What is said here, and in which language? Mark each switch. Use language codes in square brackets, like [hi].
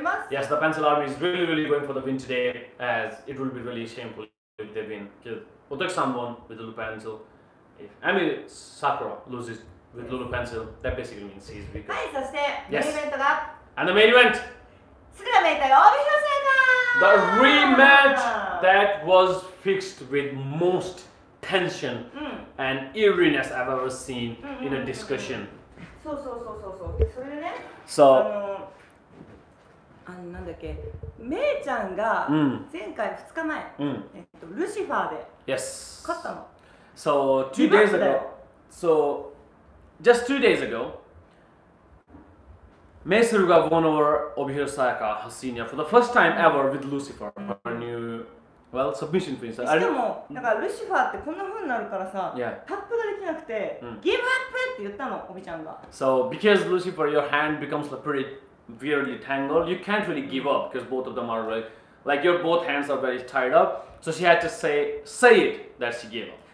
[en] Yes, the Pencil Army is really, really going for the win today, as it would be really shameful if they win. Otoki-san won with Lulupencil. If Emi Sakura loses with Lulupencil, that basically means she's weaker. [ja] はい、そして、yes. メインイベントが [en] And the main event! [ja] スクラメイタイ、オビヒロセイカー [en] The rematch that was fixed with most tension and eeriness I've ever seen in a discussion. [ja] そうそうそうそう。それでね、 [en] so, [ja] あのなんだっけ、メイちゃんが前回2日前、ルシファーで勝ったの。 [en] So, 2 days ago, so, just 2 days ago,Mei Suruga won over Obihiro Sayaka, her senior, for the first time ever with Lucifer, her new, well, submission princess. [ja] しかも、だからルシファーってこんな風になるからさ、 [en] yeah. [ja] タップができなくて、ギブアップって言ったの、オビちゃんが。 [en] So, because Lucifer, your hand becomes pretty weirdly tangled, you can't really give up, because both of them are really, like, your both hands are very tied up, so she had to say it that she gave up.